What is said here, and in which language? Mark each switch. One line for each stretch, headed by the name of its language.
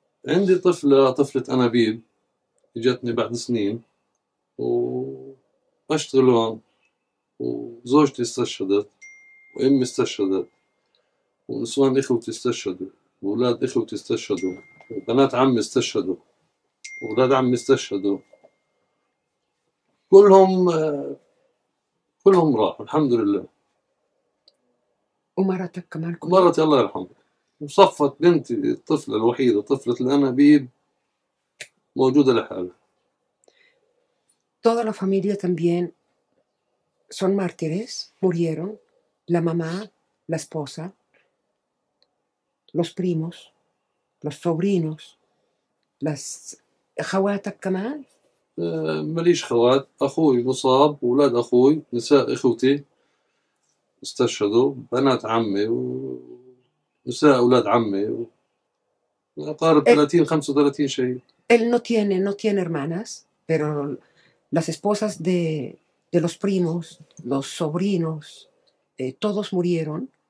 Arabic: عندي طفلة طفلة أنابيب إجتني بعد سنين وأشتغل هون وزوجتي استشهدت وأمي استشهدت ونسوان إخوتي استشهدوا وأولاد إخوتي استشهدوا وبنات عمي استشهدوا وأولاد عمي استشهدوا كلهم راحوا الحمد لله. ومرتك كمان كلها؟ مرتي الله يرحمها وصفت بنتي الطفلة الوحيدة طفلة الأنابيب موجودة لحالها.
Spanish: Toda la familia también son mártires, murieron, la mamá, la esposa, los primos, los sobrinos, las
Arabic: خوات كمان. ماليش خوات، اخوي مصاب، اولاد اخوي، نساء اخوتي استشهدوا، بنات عمي ونساء اولاد عمي اقارب 30 35 شهيد.
Spanish: Él no tiene hermanas, pero las esposas de los primos, los sobrinos, todos murieron.